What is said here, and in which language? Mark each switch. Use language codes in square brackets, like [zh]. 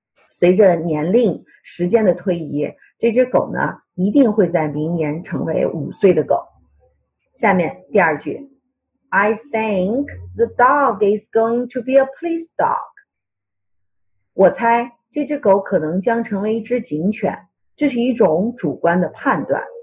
[zh] 随着年龄时间的推移，这只狗呢一定会在明年成为5岁的狗。下面第二句， [en] I think the dog is going to be a police dog. [zh] 我猜这只狗可能将成为一只警犬，这是一种主观的判断。